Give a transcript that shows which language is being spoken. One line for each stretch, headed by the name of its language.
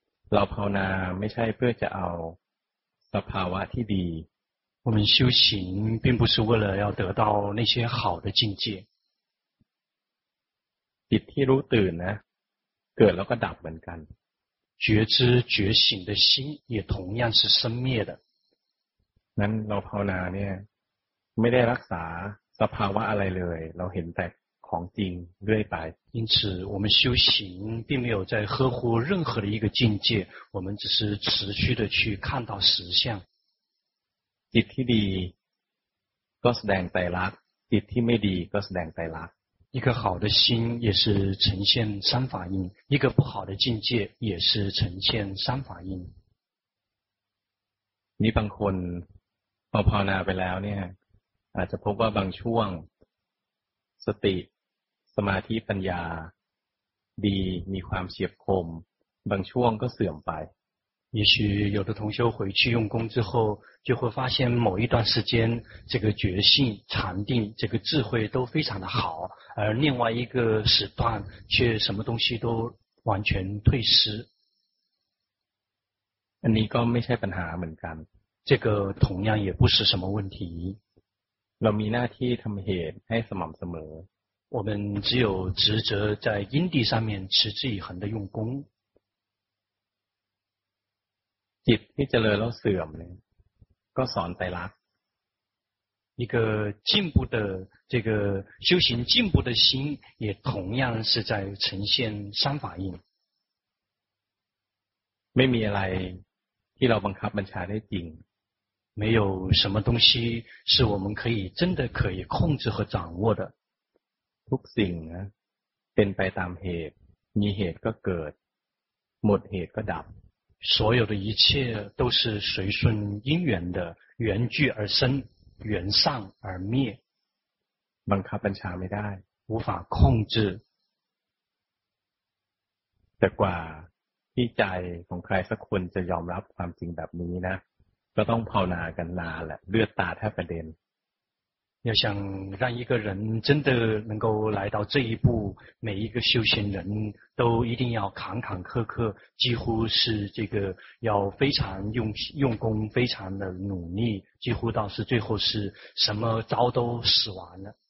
Chinese: 老婆呢，没
Thai: ใช่เพื่อจะเอาสภาวะที่ดี。
Chinese: 我们修行并不是为了要得到那些好的境界。
Thai: จิตที่รู้ตื่นนะเกิดแล้วก็ดับเหมือนกัน
Chinese: 觉知觉醒的心也同样是生灭的
Thai: นั้นเราภาวนาเนี่ยไม่ได้รักษาสภาวะอะไรเลยเราเห็นแต่ของจริงเรื่อยไป
Chinese: 因此我们修行并没有在呵护任何的一个境界我们只是持续的去看到实相
Thai: จิตที่ดีก็แสดงไตรลักษณ์จิตที่ไม่ดีก็แสดงไตรลักษณ์
Chinese: 一个好的心也是呈现三法印，一个不好的境界也是呈现三法印。
Thai: 你บางคนพอภาวนาไปแล้วเนี่ยอาจจะพบว่าบางช่วงสติสมาธิปัญญาดีมีความเฉียบคมบางช่วงก็เสื่อมไป
Chinese: 也许有的同修回去用功之后，就会发现某一段时间，这个觉性、禅定、这个智慧都非常的好，而另外一个时段却什么东西都完全退失。
Thai: นี่ก็ไม่ใช่ปัญหาเหมือนกัน。
Chinese: 这个同样也不是什么问题。
Thai: เรามีหน้าที่ทำเหตุให้สม่ำเสมอ。
Chinese: 我们只有职责在因地上面持之以恒的用功。
Thai: จิตที่เจริญแล้วเสื่อมเนี่ยก็สอนไตรลักษ
Chinese: ณ์一个进步的这个修行进步的心也同样是在呈现三法印
Thai: ไม่มีอะไรที่เราบังคับบัญชาได้จริง
Chinese: 没有什么东西是我们可以真的可以控制和掌握的
Thai: ทุกสิ่งนะเป็นไปตามเหตุมีเหตุก็เกิดหมดเหตุก็ดับ
Chinese: 所有的一切都是随顺因缘的，缘聚而生，缘散而灭。
Thai: บังคับบัญชาไม่ได้
Chinese: ，无法控制。
Thai: แต่กว่าที่ใจของใครสักคนจะยอมรับความจริงแบบนี้นะ，ก็ต้องภาวนากันนานแหละ，เลือดตาแทบกระเด็น。
Chinese: 要想让一个人真的能够来到这一步，每一个修行人都一定要坎坎坷坷，几乎是这个要非常用功，非常的努力，几乎到是最后是什么招都使完了。